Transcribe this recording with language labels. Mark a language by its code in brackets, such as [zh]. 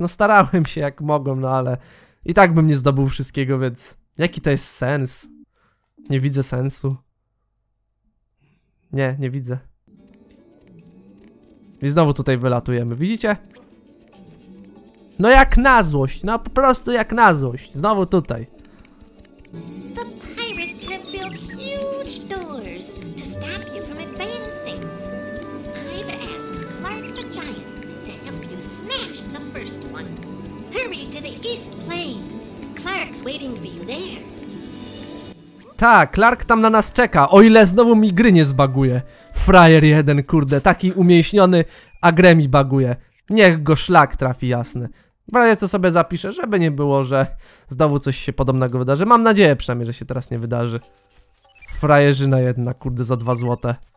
[pl] No starałem się jak mogłem, no ale i tak bym nie zdobył wszystkiego, więc jaki to jest sens? Nie widzę sensu. Nie, nie widzę. I znowu tutaj wylatujemy, widzicie? No jak na złość, no po prostu jak na złość. Znowu tutaj. [en] The pirates have built huge doors to stop you from advancing. I've asked Clark the Giant to help you smash the first one. Hurry to the east plane. Clark's waiting for you there. [pl] Tak, Clark tam na nas czeka, o ile znowu mi gry nie zbaguje. Frajer jeden, kurde, taki umięśniony, a grę mi baguje. Niech go szlak trafi, jasny. W razie co sobie zapiszę, żeby nie było, że znowu coś się podobnego wydarzy. Mam nadzieję przynajmniej, że się teraz nie wydarzy. Frajerzyna jedna, kurde, za 2 złote.